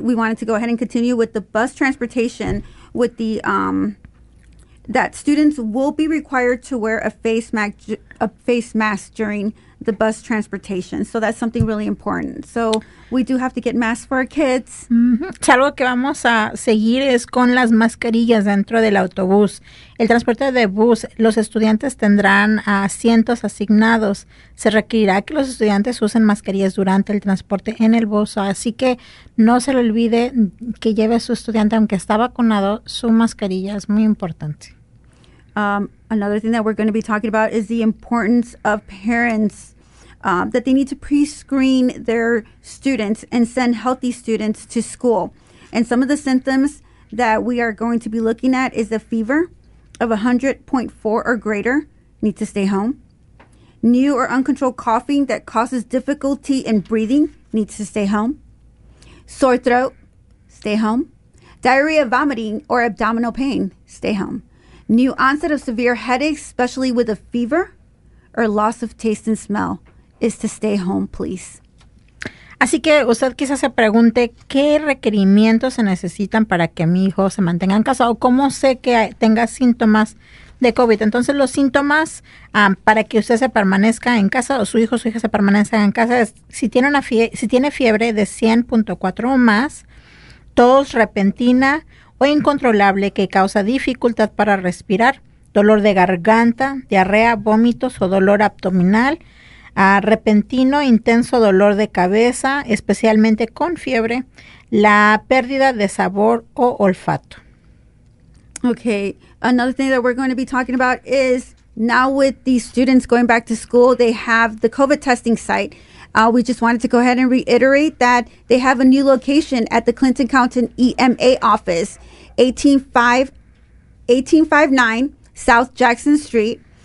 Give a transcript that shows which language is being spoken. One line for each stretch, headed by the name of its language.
English: We wanted to go ahead and continue with the bus transportation. With the that students will be required to wear a face mask during the bus transportation. So that's something really important. So we do have to get masks for our kids. Mm-hmm.
Spanish: Algo que vamos a seguir es con las mascarillas dentro del autobús. El transporte de bus, los estudiantes tendrán asientos asignados. Se requerirá que los estudiantes usen mascarillas durante el transporte en el bus. Así que no se le olvide que lleve a su estudiante, aunque está vacunado, su mascarilla. Es muy importante.
English: Another thing that we're going to be talking about is the importance of parents, that they need to pre-screen their students and send healthy students to school. And some of the symptoms that we are going to be looking at is a fever of 100.4 or greater, need to stay home. New or uncontrolled coughing that causes difficulty in breathing, needs to stay home. Sore throat, stay home. Diarrhea, vomiting, or abdominal pain, stay home. New onset of severe headaches, especially with a fever or loss of taste and smell, is to stay home, please.
Spanish: Así que usted quizás se pregunte, ¿qué requerimientos se necesitan para que mi hijo se mantenga en casa? ¿O cómo sé que tenga síntomas de COVID? Entonces, los síntomas para que usted se permanezca en casa o su hijo o su hija se permanezca en casa es si tiene fiebre de 100.4 o más, tos repentina o incontrolable que causa dificultad para respirar, dolor de garganta, diarrea, vómitos o dolor abdominal, repentino, intenso dolor de cabeza, especialmente con fiebre, la pérdida de sabor o olfato.
English: Okay, another thing that we're going to be talking about is now with these students going back to school, they have the COVID testing site. We just wanted to go ahead and reiterate that they have a new location at the Clinton County EMA office, 1859 South Jackson Street.